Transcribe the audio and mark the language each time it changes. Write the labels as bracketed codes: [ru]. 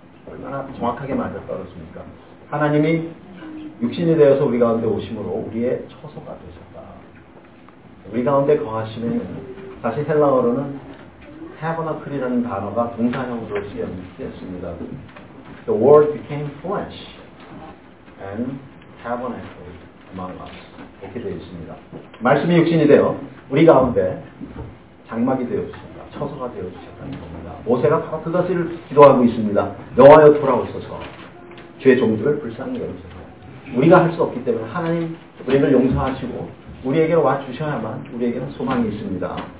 [ko] 얼마나 정확하게 맞아떨어집니까? 하나님이 육신이 되어서 우리 가운데 오심으로 우리의 처소가 되셨다. 우리 가운데 거하시면 다시 헬라어로는 타버나클이라는 단어가 동사형으로 쓰였습니다. [en] The word became flesh and tabernacled among us. [ko] 이렇게 되어 있습니다. 말씀이 육신이 되어 우리 가운데 장막이 되어주셨다. 처소가 되어주셨다는 겁니다. 모세가 바로 그것을 기도하고 있습니다. 여호와여 돌아오소서. 죄 종들을 불쌍히 여기소서. 우리가 할 수 없기 때문에 하나님 우리를 용서하시고 우리에게 와주셔야만 우리에게는 소망이 있습니다.